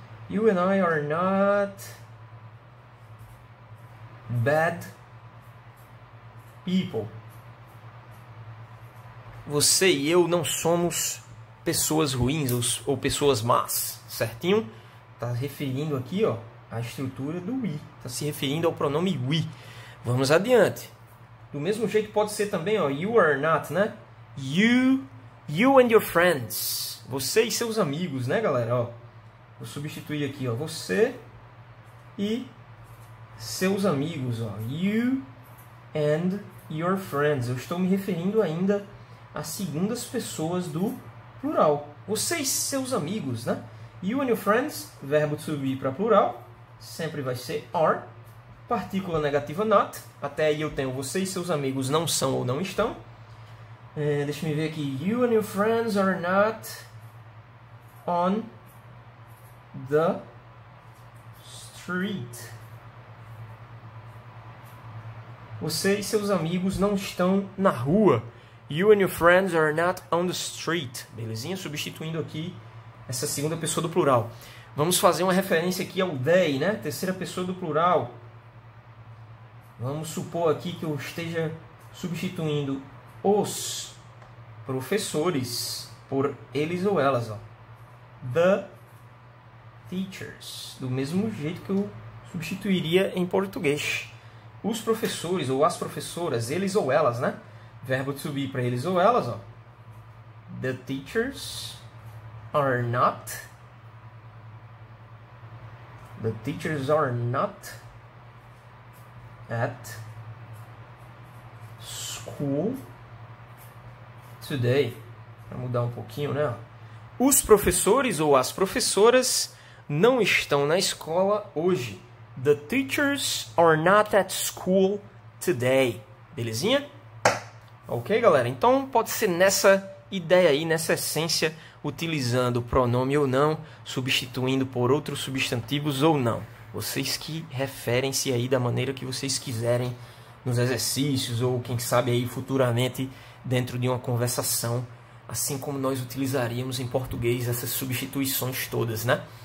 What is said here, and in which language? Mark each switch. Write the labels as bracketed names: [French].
[English] You and I are not bad people. [Portuguese] Você e eu não somos pessoas ruins ou pessoas más, certinho? Tá referindo aqui, ó, a estrutura do we. Tá se referindo ao pronome we. Vamos adiante. Do mesmo jeito pode ser também, ó, [English] you are not, [Portuguese] né? [English] You and your friends. [Portuguese] Você e seus amigos, né, galera? Ó, vou substituir aqui, ó, você e seus amigos, ó. [English] You and your friends. [Portuguese] Eu estou me referindo ainda as segundas pessoas do plural. Vocês, seus amigos, né? [English] You and your friends, [Portuguese] verbo to be para plural, sempre vai ser are. Partícula negativa not. Até aí eu tenho vocês, seus amigos não são ou não estão. Deixa me ver aqui. [English] You and your friends are not on the street. [Portuguese] Vocês, seus amigos não estão na rua. [English] You and your friends are not on the street. [Portuguese] Belezinha? Substituindo aqui essa segunda pessoa do plural. Vamos fazer uma referência aqui ao they, né? Terceira pessoa do plural. Vamos supor aqui que eu esteja substituindo os professores por eles ou elas, ó. [English] The teachers. [Portuguese] Do mesmo jeito que eu substituiria em português. Os professores ou as professoras, eles ou elas, né? Verbo to be para eles ou elas, ó. [English] The teachers are not. The teachers are not at school today. [Portuguese] Para mudar um pouquinho, né? Os professores ou as professoras não estão na escola hoje. [English] The teachers are not at school today. [Portuguese] Belezinha? Ok, galera? Então pode ser nessa ideia aí, nessa essência, utilizando o pronome ou não, substituindo por outros substantivos ou não. Vocês que referem-se aí da maneira que vocês quiserem nos exercícios ou quem sabe aí futuramente dentro de uma conversação, assim como nós utilizaríamos em português essas substituições todas, né?